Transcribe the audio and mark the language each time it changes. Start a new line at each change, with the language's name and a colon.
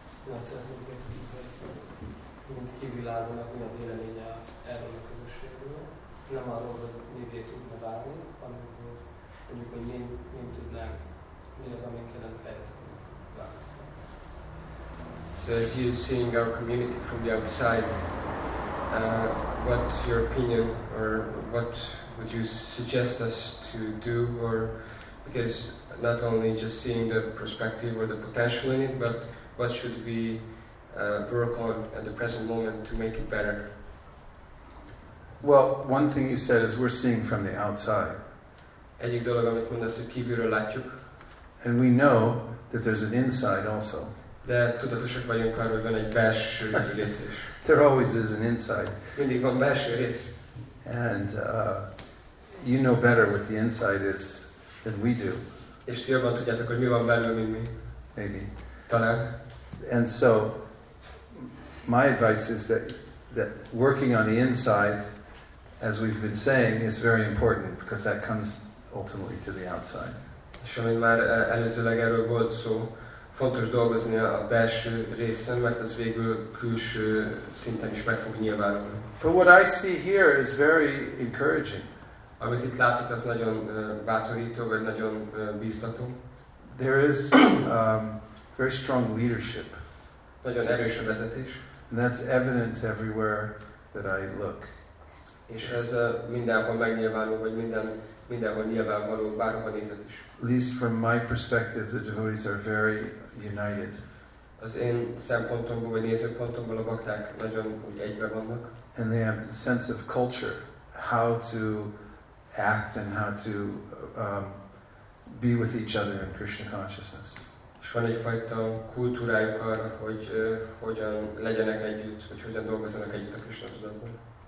Hungarian: Na, szeretnénk kérdezni, mint kívülállónak mi a véleménye erről a közösségről, nem arról, hogy mivé tudna várni, hanem mondjuk, hogy mi tudnánk, mi az, amit kellene fejleszteni.
English: So as you're seeing our community from the outside, What's your opinion, or what would you suggest us to do? Or because not only just seeing the perspective or the potential in it, but what should we work on at the present moment to make it better? Well, one thing you said is we're seeing from the outside.
Hungarian: Egyik dolog, amit mondasz, hogy kívülről látjuk.
English: And we know that there's an inside also.
Hungarian: De tudatosak vagyunk arra, hogy van egy belső rész is.
English: There always is an inside.
Hungarian: Mindig van belső rész.
English: And you know better what the inside is than we do.
Hungarian: És ti jobban tudjátok, hogy mi van belül, mint mi.
English: Maybe.
Hungarian: Talán.
English: And so my advice is that working on the inside, as we've been saying, is very important because that comes ultimately to the outside.
Hungarian: És amint már előzőleg erről volt szó, fontos dolgozni a belső részen, mert az végül külső szinten is meg fog nyilvánulni.
English: But what I see here is very encouraging.
Hungarian: Amit itt látok, az nagyon bátorító, vagy nagyon bíztató.
English: There is very strong leadership.
Hungarian: Nagyon erős a vezetés.
English: And that's evident everywhere that I look.
Hungarian: És ez mindenhol megnyilvánul, vagy mindenhol nyilvánvaló, bárhova nézek is.
English: At least from my perspective, the devotees are very united.
Hungarian: Az én szempontomból, vagy nézőpontomból a bakták nagyon úgy egybe vannak.
English: And they have a sense of culture, how to act and how to be with each other in Krishna consciousness.
Hungarian: És van egyfajta kultúrájuk arra, hogy hogyan legyenek együtt, vagy hogyan dolgozzanak együtt a Krishna tudatban.